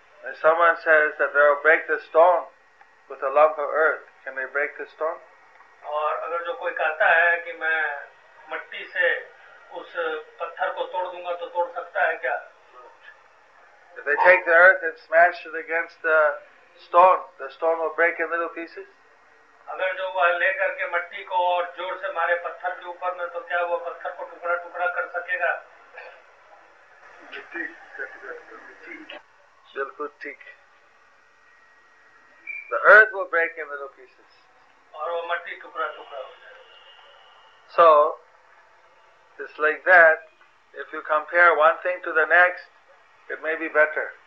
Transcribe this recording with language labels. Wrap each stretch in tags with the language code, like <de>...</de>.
<en>If someone says that they will break the stone with a lump of earth, can they break the stone?</en> <hi>और अगर जो कोई कहता है कि मैं मिट्टी से उस पत्थर को तोड़ दूंगा तो तोड़ सकता है क्या?</hi> <en>If they take the earth and smash it against the stone will break in little pieces?</en> <hi>अगर जो वह लेकर के मिट्टी को और जोर से मारे पत्थर के ऊपर में तो क्या वो पत्थर को टुकड़ा टुकड़ा कर सकेगा? बिल्कुल ठीक।</hi> <en>The earth will break in little pieces.</en> <hi>और वो मट्टी टुकड़ा-टुकड़ा हो जाए।</hi> <en>So, just like that, if you compare one thing to the next, it may be better.</en>